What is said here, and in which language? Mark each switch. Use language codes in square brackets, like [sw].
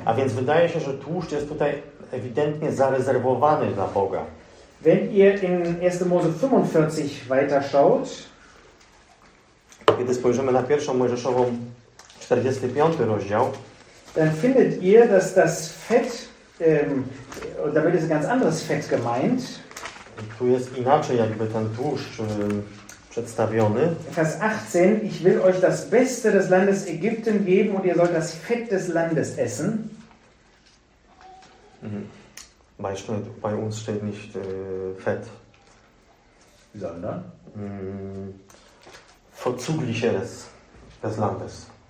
[pl] A więc wydaje się, że tłuszcz jest tutaj ewidentnie zarezerwowany dla Boga. [de] Wenn ihr in 1. Mose 45 weiterschaut, [pl] kiedy spojrzymy na 1. Mojżeszową 45. rozdział, [de] dann findet ihr, dass das Fett, da wird jetzt ein ganz anderes Fett gemeint. [pl] Tu jest inaczej jakby ten tłuszcz przedstawiony. [de] Vers 18, ich will euch das Beste des Landes Ägypten geben und ihr sollt das Fett des Landes essen. Bei uns steht nicht Fett. Sondern? Vorzugliches des Landes.